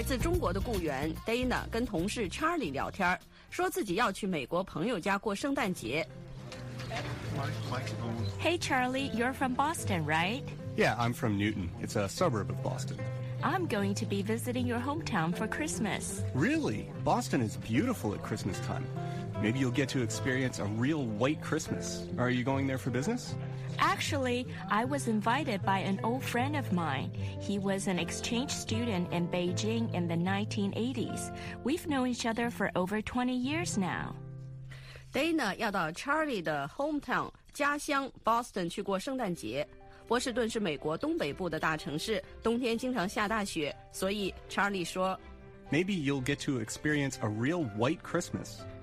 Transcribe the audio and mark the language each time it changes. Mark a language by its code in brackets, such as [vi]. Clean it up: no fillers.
[zh] 礼节美语。来自中国的雇员Dana 跟同事Charlie聊天，说自己要去美国朋友家过圣诞节。 [en] Hey Charlie, you're from Boston, right? Yeah, I'm from Newton. It's a suburb of Boston. I'm going to be visiting your hometown for Christmas. Really? Boston is beautiful at Christmas time. Maybe you'll get to experience a real white Christmas. Are you going there for business? Actually, I was invited by an old friend of mine. He was an exchange student in Beijing in the 1980s. We've known each other for over 20 years now. [zh] Dana 要到Charlie的 hometown, 家乡 Boston 去过圣诞节。波士顿是美国东北部的大城市，冬天经常下大雪，所以Charlie说， [en] Maybe you'll get to experience a real white Christmas.